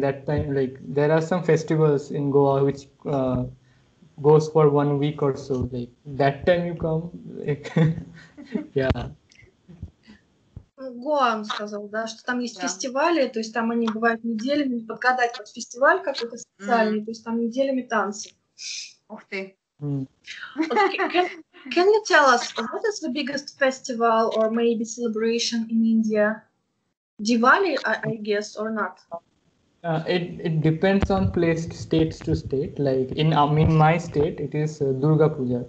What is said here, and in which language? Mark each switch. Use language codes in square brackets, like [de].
[en] That time, like there are some festivals in Goa which goes for 1 week or so. Like that time you come, yeah. [ru] Goa, он сказал, да, что там есть фестивали, то есть там они бывают неделями. Подгадать под фестиваль какой-то специальный, то есть там неделями танцы. Ух ты. [en] Can you tell us what is the biggest festival or maybe celebration in India? Diwali, I guess, or not? It depends on place, state to state. Like in my state, it is Durga Puja.